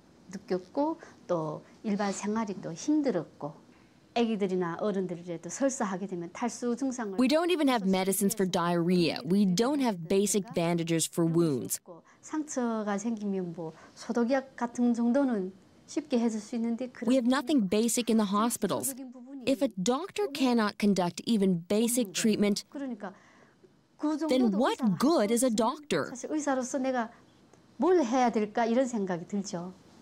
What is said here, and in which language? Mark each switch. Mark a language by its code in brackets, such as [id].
[ko] 느꼈고 또 일반 생활이 또 힘들었고 아기들이나 어른들이라도 설사하게 되면 탈수 증상을 [en] We don't even have medicines for diarrhea. We don't have basic bandages for wounds. [ko] 상처가 생기면 뭐 소독약 같은 정도는 쉽게 해줄 수 있는데 [en] We have nothing basic in the hospitals. If a doctor cannot conduct even basic treatment, then what good is a doctor? [ko] 사실 의사로서 내가 뭘 해야 될까 이런 생각이 들죠.